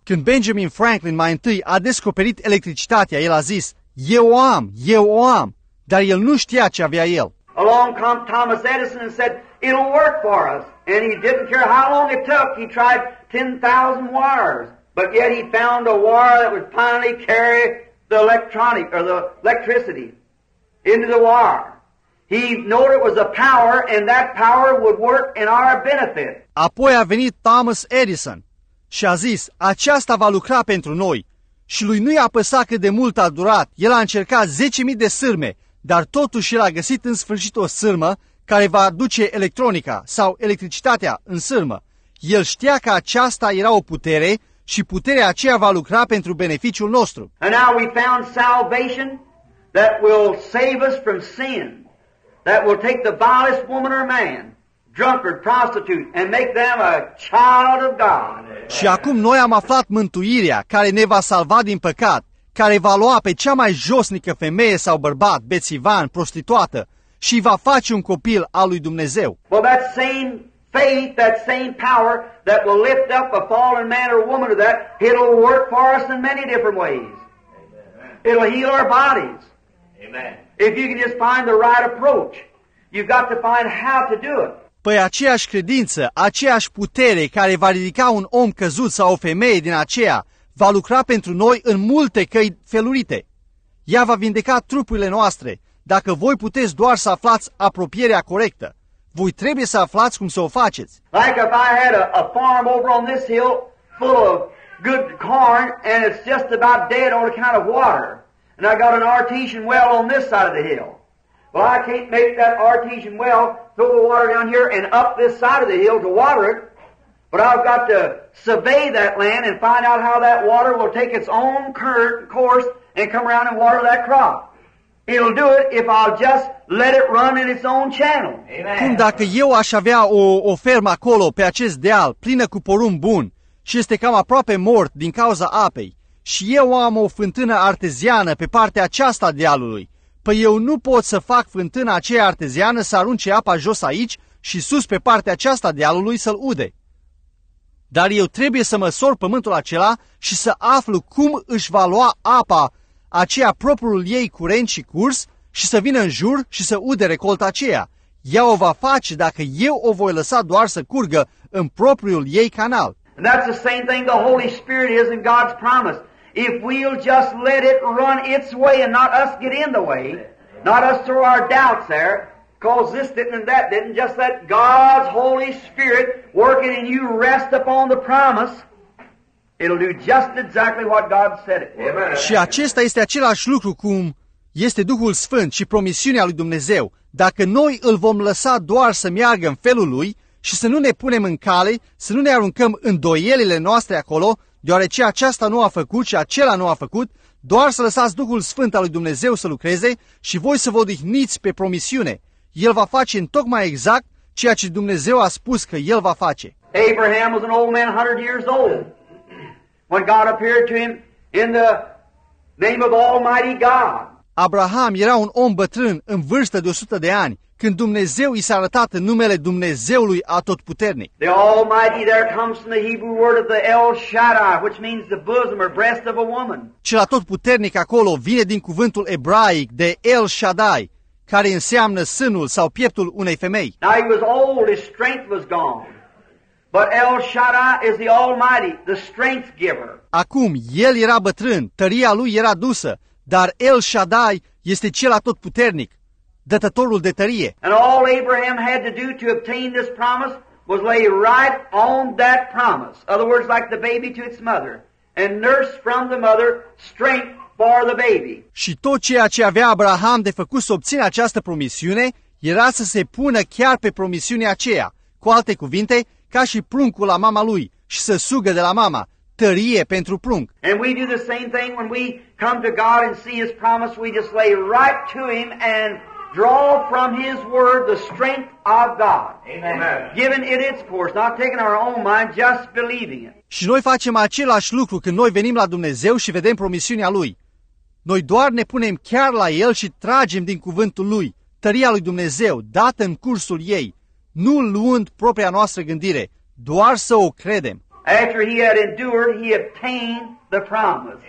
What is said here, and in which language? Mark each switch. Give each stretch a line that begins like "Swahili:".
Romanian: Când Benjamin Franklin mai întâi a descoperit electricitatea, el a zis, eu o am, dar el nu știa ce avea el.
English: Along came Thomas Edison and said, it'll work for us. And he didn't care how long it took, he tried 10,000 wires. But yet he found a wire that would finally carry the electronic or the electricity into the wire. He knew it was a power and that power would work in our benefit.
Romanian: Apoi a venit Thomas Edison și a zis, aceasta va lucra pentru noi. Și lui nu i-a păsat cât de mult a durat. El a încercat 10.000 de sârme, dar totuși el a găsit în sfârșit o sârmă care va aduce electronica sau electricitatea în sârmă. El știa că aceasta era o putere și puterea aceea va lucra pentru beneficiul nostru.
English: And now we found salvation that will save us from sin. That will take the vilest woman or man, drunkard, prostitute, and make them a child of God.
Romanian: Și acum noi am aflat mântuirea care ne va salva din păcat, care va lua pe cea mai josnică femeie sau bărbat, bețivan, prostituată, și va face un copil al lui Dumnezeu.
English: Well, that same faith, that same power that will lift up a fallen man or woman to that, it'll work for us in many different ways. Amen. It'll heal our bodies. Amen. If you can just find the right approach, you've got to find how to do it.
Romanian: Păi aceeași credință, aceeași putere care va ridica un om căzut sau o femeie din aceea, va lucra pentru noi în multe căi felurite. Ea va vindeca trupurile noastre, dacă voi puteți doar să aflați apropierea corectă. Voi trebuie să aflați cum să o faceți.
English: Like if I had a farm over on this hill full of good corn and it's just about dead on account of water. And I got an artesian well on this side of the hill. Well, I can't make that artesian well throw the water down here and up this side of the hill to water it. But I've got to survey that land and find out how that water will take its own current course and come around and water that crop. It'll do it if I'll just let it run in its own channel.
Romanian: Cum dacă eu aș avea o fermă acolo pe acest deal plină cu porumb bun și este cam aproape mort din cauza apei, și eu am o fântână arteziană pe partea aceasta a dealului. Păi eu nu pot să fac fântâna aceea arteziană să arunce apa jos aici și sus pe partea aceasta a dealului să-l ude. Dar eu trebuie să măsor pământul acela și să aflu cum își va lua apa aceea propriul ei curent și curs și să vină în jur și să ude recolta aceea. Ea o va face dacă eu o voi lăsa doar să curgă în propriul ei canal.
English: And that's the same thing the Holy Spirit is in God's promise. If we'll just let it run its way and not us get in the way, not us throw our doubts there, because this didn't and that didn't, just let God's Holy Spirit working in you rest upon the promise, it'll do just exactly what God said it. Amen.
Romanian: Și acesta este același lucru cum este Duhul Sfânt și promisiunea lui Dumnezeu. Dacă noi îl vom lăsa doar să meargă în felul lui și să nu ne punem în cale, să nu ne aruncăm îndoielile noastre acolo, deoarece aceasta nu a făcut și acela nu a făcut, doar să lăsați Duhul Sfânt al lui Dumnezeu să lucreze și voi să vă odihniți pe promisiune. El va face în tocmai exact ceea ce Dumnezeu a spus că El va face.
English: Abraham was an old man, 100 years old, when God appeared to him in the name of Almighty God.
Romanian: Abraham era un om bătrân, în vârstă de 100 de ani, când Dumnezeu i s-a arătat în numele Dumnezeului Atotputernic.
English: The Almighty there comes from the Hebrew word of the El Shaddai, which means the bosom or breast of a woman.
Romanian: Cel Atotputernic acolo vine din cuvântul ebraic de El Shaddai, care înseamnă sânul sau pieptul unei femei.
English: Now he was old, his strength was gone. But El Shaddai is the Almighty, the strength giver.
Romanian: Acum el era bătrân, tăria lui era dusă. Dar El Shaddai este cel atotputernic, dătătorul de tărie.
English: And all Abraham had to do to obtain this promise was lay right on that promise. Other words, like the baby to its mother, and nurse from the mother strength for the baby.
Romanian: Și tot ceea ce avea Abraham de făcut să obțină această promisiune era să se pună chiar pe promisiunea aceea, cu alte cuvinte, ca și pruncul la mama lui și să sugă de la mama. Tărie pentru prunc.
English: And we do the same thing when we come to God and see His promise. We just lay right to Him and draw from His word the strength of God. Amen. Giving it its course, not taking our own mind, just believing it.
Romanian: Și noi facem același lucru când noi venim la Dumnezeu și vedem promisiunea Lui. Noi doar ne punem chiar la El și tragem din cuvântul Lui, tăria lui Dumnezeu, dată în cursul ei, nu luând propria noastră gândire, doar să o credem.
English: After he had endured, he obtained the promise.